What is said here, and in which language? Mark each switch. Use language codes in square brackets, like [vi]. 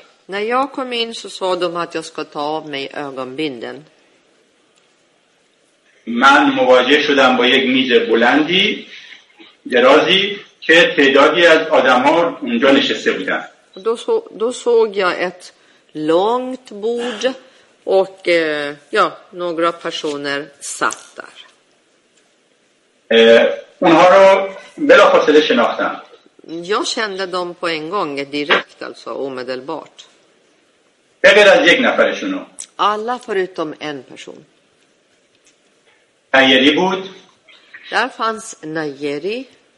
[sv] När jag kom in så sa de att jag ska ta av mig ögonbinden. [fa] من مواجه شدم با یک میز بلندی درازی که تعدادی از آدم‌ها اونجا نشسته بودن. [sv] Då såg jag ett långt bord och ja, några personer satt där. [fa] اونها رو بلافاصله شناختم. [sv] Jag kände dem på en gång direkt, alltså omedelbart. [fa] بغیر از یک نفرشون. [sv] Alla förutom en person. [fa] نایری بود. [sv] Där fanns نایری.